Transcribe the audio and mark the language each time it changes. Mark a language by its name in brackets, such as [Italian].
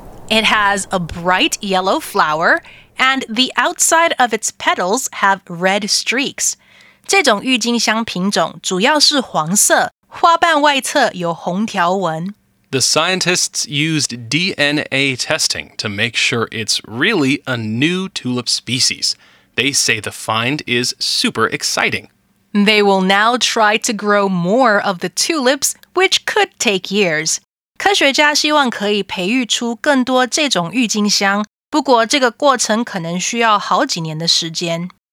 [English] It has a bright yellow flower, and the outside of its petals have red streaks. [Chinese] 这种郁金香品种主要是黄色，花瓣外侧有红条纹。 [English] The scientists used DNA testing to make sure it's really a new tulip species. They say the find is super exciting. They will now try to grow more of the tulips, which could take years. [Chinese] 科学家希望可以培育出更多这种郁金香，不过这个过程可能需要好几年的时间。